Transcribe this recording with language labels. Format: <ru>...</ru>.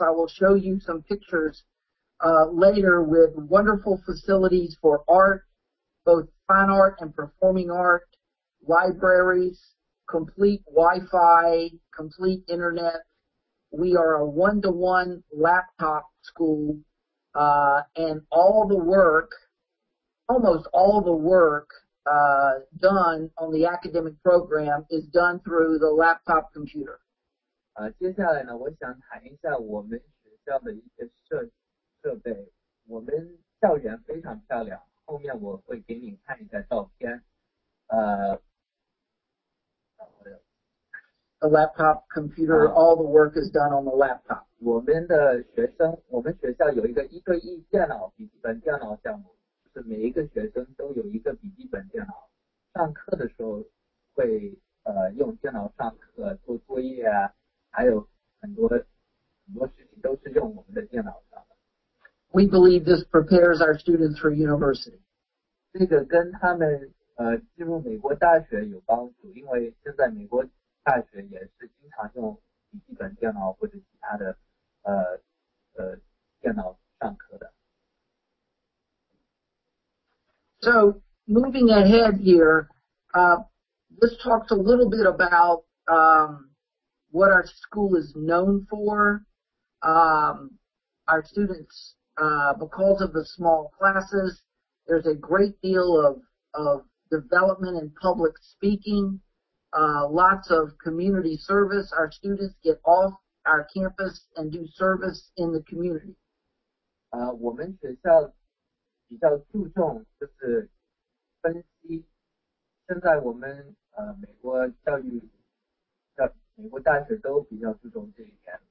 <en>I will show you some pictures later with wonderful facilities for art, both fine art and performing art, libraries, complete Wi-Fi, complete internet. We are a one-to-one laptop school, and all the work, almost all the work, done on the academic program is done through the laptop computer.</en> <zh>接下来呢，我想谈一下我们学校的一些设备。我们校园非常漂亮，后面我会给你看一下照片。</zh> <en>A laptop computer, all the work is done on the laptop.</en> <zh>我们的学生，我们学校有一个一对一电脑笔记本电脑项目，就是每一个学生都有一个笔记本电脑，上课的时候会用电脑上课做作业啊，还有很多事情都是用我们的电脑上的。</zh> <en>We believe this prepares our students for university.</en> <zh>这个跟他们进入美国大学有帮助，因为现在美国大学也是经常用笔记本电脑或者其他的电脑上课的。</zh> <en>So moving ahead here, this talks a little bit about what our school is known for. Our students, because of the small classes, there's a great deal of development in public speaking, lots of community service. Our students get off our campus and do service in the community.</en> <zh>我们学校比较注重就是分析，现在我们美国教育，美国大学都比较注重这一点。</zh>